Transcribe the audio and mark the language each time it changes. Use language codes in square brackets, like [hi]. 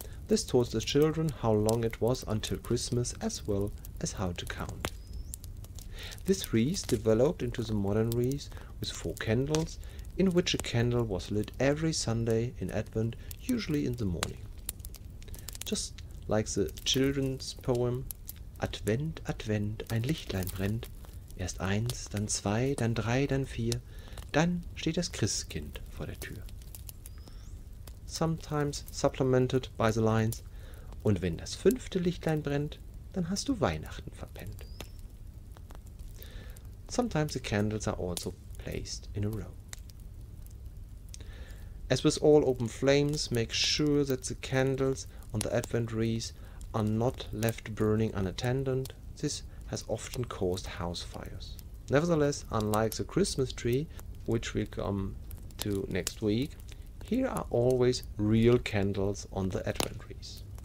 [en] This taught the children how long it was until Christmas as well as how to count. This wreath developed into the modern wreath with 4 candles, in which a candle was lit every Sunday in Advent, usually in the morning. Just like the children's poem, [de] Advent, Advent, ein Lichtlein brennt, erst eins, dann zwei, dann drei, dann vier, dann steht das Christkind vor der Tür. [en] Sometimes supplemented by the lines, [de] und wenn das fünfte Lichtlein brennt, dann hast du Weihnachten verpennt. [en] Sometimes the candles are also placed in a row. As with all open flames, make sure that the candles on the Advent wreath are not left burning unattended. This has often caused house fires. Nevertheless, unlike the Christmas tree, which we'll come to next week, here are always real candles on the Advent wreath.